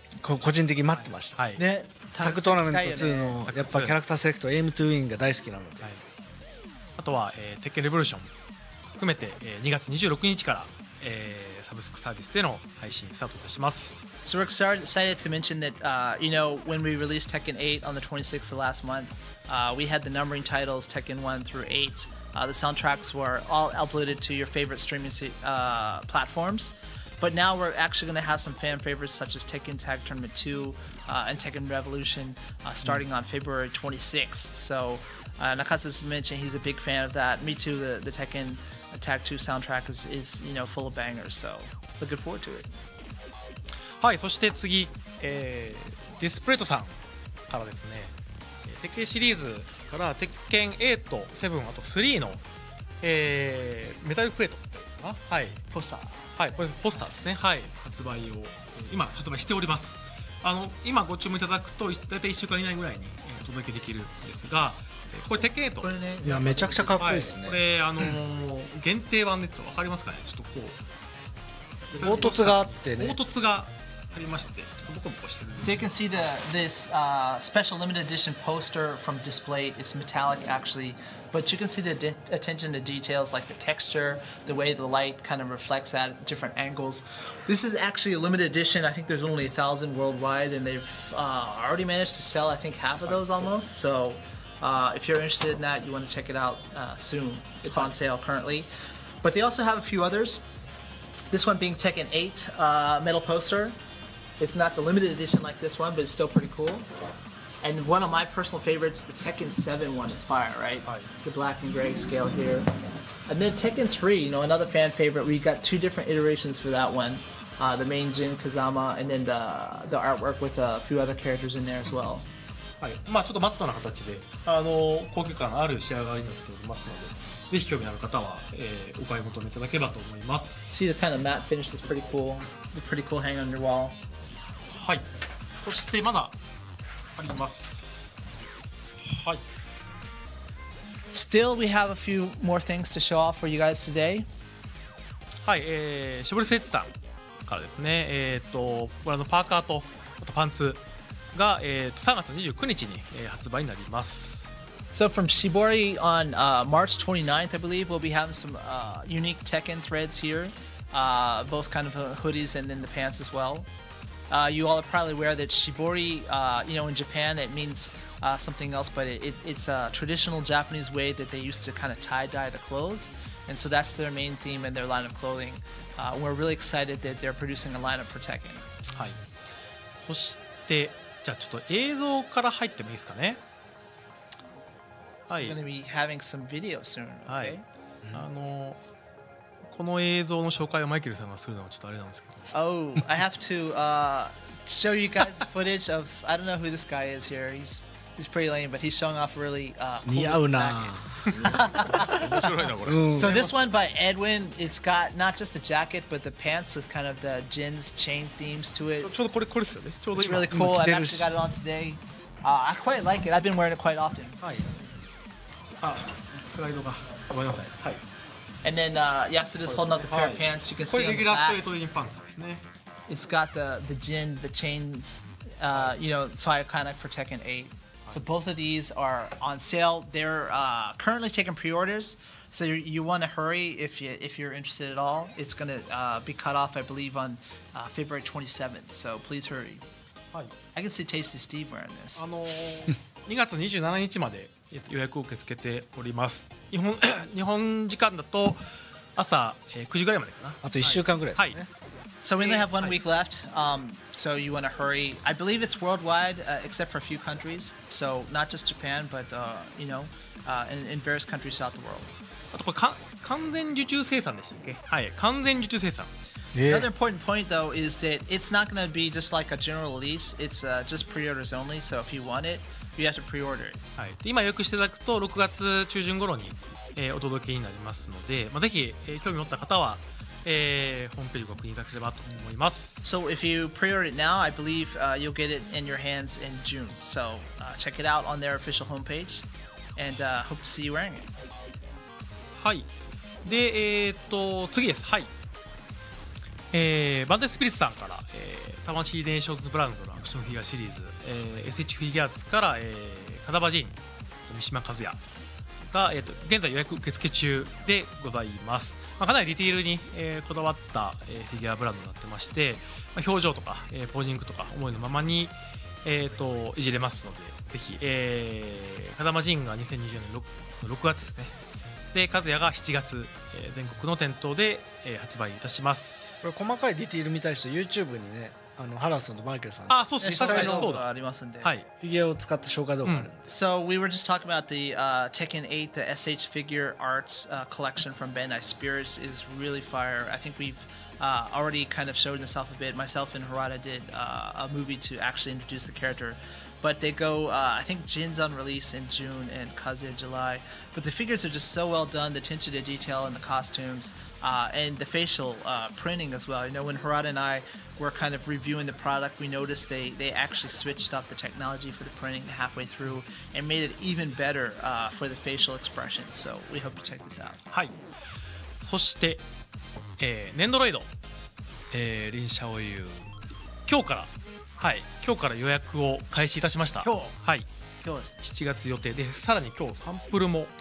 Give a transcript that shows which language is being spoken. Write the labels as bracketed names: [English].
[Japanese] 個人的に待ってました、はい、でタッグトーナメント2のやっぱキャラクターセレクト、エイムトゥーインが大好きなので、はい、あとは、鉄拳レボリューション含めて、2月26日から、サブスクサービスでの配信スタートいたします。 [English] So we're excited to mention that you know, when we released Tekken 8 on the 26th of last month, we had the numbering titles Tekken 1 through 8. The soundtracks were all uploaded to your favorite streaming platforms. But now we're actually going to have some fan favorites such as Tekken Tag Tournament 2 and Tekken Revolution starting on February 26th. So Nakatsu's mentioned he's a big fan of that. Me too, the Tekken Tag 2 soundtrack is you know, full of bangers. So looking forward to it. [Japanese] はい、そして次、ディスプレートさんからですね、鉄拳シリーズから鉄拳8、7、あと3の、メタルプレートあ、はい、ポスター、はい、これポスターですね、はい、発売を今発売しております。あの今ご注文いただくと大体1週間以内ぐらいに届けできるんですが、これ鉄拳8、これね、いやめちゃくちゃかっこいいですね、はい、これ、限定版で分かりますかね、ちょっとこう凹凸があってね、凹凸がありまして、ちょっとボコボコしてるんです [English] 。 So you can see the, this special limited edition poster from display. It's metallic actually, but you can see the attention to details like the texture, the way the light kind of reflects at different angles. This is actually a limited edition. I think there's only 1,000 worldwide, and they've already managed to sell I think half of those almost. So if you're interested in that, you want to check it out soon. It's on sale currently, but they also have a few others. This one being Tekken 8 metal poster. It's not the limited edition like this one, but it's still pretty cool. And one of my personal favorites, the Tekken 7 one is fire, right? The black and gray scale here. And then Tekken 3, you know, another fan favorite. We got two different iterations for that one. The main Jin Kazama, and then the artwork with a few other characters in there as well. [Japanese] はい、まあちょっとマットな形で、高級感ある仕上がりになっておりますので、ぜひ興味ある方は、お買い求めいただければと思います。 [English] See the kind of matte finish is pretty cool. The pretty cool hang on your wall. [Japanese] はい、そしてまだあります。はい、 [English] Still we have a few more things to show off for you guys today. [Japanese] はい、しぼりスエッツさんからですね、ご覧のパーカーとあとパンツが、3月29日に、発売になります。 [English] So from Shibori on March 29th, I believe, we'll be having some unique Tekken threads here, both kind of hoodies and then the pants as well. You all are probably aware that Shibori, you know, in Japan, it means something else, but it's a traditional Japanese way that they used to kind of tie-dye the clothes, and so that's their main theme and their line of clothing. We're really excited that they're producing a lineup for Tekken. [Japanese] はい。そしてじゃあちょっと映像から入ってもいいですかね。 [English] It's going to be having some video soon. Okay. [Japanese] この映像の紹介をマイケルさんがするのはちょっとあれなんですけど。 [English] Oh, I have to show you guys footage of I don't know who this guy is here. He's pretty lame, but he's showing off really cool [Japanese] jacket. 似合うな。面白いなこれ。 [English] So this one by Edwin, it's got not just the jacket but the pants with kind of the Jin's chain themes to it. [Japanese] ちょうどこれこれですよね。ちょうど [English] 今。It's really cool. I've actually got it on today. I quite like it. I've been wearing it quite often. [Japanese] はい。あ、スライドが、ごめんなさい。はい。 [English] And then Yasuda's holding up the pair of pants. You can see [Japanese] これレギュラーストレートインパンツですね。 [English] It's got the Jin, the chains, you know, so iconic for Tekken 8. So both of these are on sale. They're currently taking pre-orders. So you want to hurry if you're interested at all. It's gonna be cut off, I believe, on February 27th. So please hurry. [Japanese] はい。 [English] I can see Tasty Steve wearing this. [Japanese] 2月27日まで。予約を受け付けております。日本時間だと朝9時ぐらいまでかな、あと1週間ぐらいですね、はい、 [English] So we only have one week left、so you want to hurry. I believe it's worldwide、except for a few countries, so not just Japan but you know, in various countries throughout the world. [Japanese] あとこれ完全受注生産でしたっけ、はい、完全受注生産。 [English] Another important point though is that it's not going to be just like a general release. It's just pre-orders only, so if you want itYou have to pre-order it. [Japanese] はい、で今予約していただくと6月中旬頃に、お届けになりますので、まあ、ぜひ、興味持った方は、ホームページをご確認いただければと思います。 [English] So if you pre-order it now, I believe you'll get it in your hands in June. So check it out on their official homepage and hope to see you wearing it. [Japanese] はい、で、次です。はい、バンダイスピリッツさんから、タマチヒデンショーズブランドのアクションフィギュアシリーズ、SH フィギュアーズから、カダバジン三島和也が、現在予約受付中でございます。まあ、かなりディティールに、こだわった、フィギュアブランドになってまして、まあ、表情とか、ポージングとか思いのままに、いじれますので、ぜひ、カダバジンが2020年 6月ですね、で和也が7月、全国の店頭で、発売いたします。これ細かいディティール見たい人 YouTube にね、あの原田さんとマイケルさん、あ、そうですね、確かに動画ありますんで、はい、フィギュアを使った紹介動画あるんで、 [English] うん、So we were just talking about the Tekken 8 the SH figure arts collection from Bandai Spirits is really fire. I think we'veAlready kind of showed themselves a bit. Myself and Harada did a movie to actually introduce the character. But they go, I think Jin's on release in June and Kazuya July. But the figures are just so well done, the attention to detail and the costumes, and the facial printing as well. You know, when Harada and I were kind of reviewing the product, we noticed they actually switched up the technology for the printing halfway through and made it even better for the facial expression. So we hope to check this out. Hi. [Japanese] そして、ネンドロイド、リンシャオユー今日から、はい、今日から予約を開始いたしました。今日、はい、今日です、ね。 7月予定で、さらに今日サンプルも。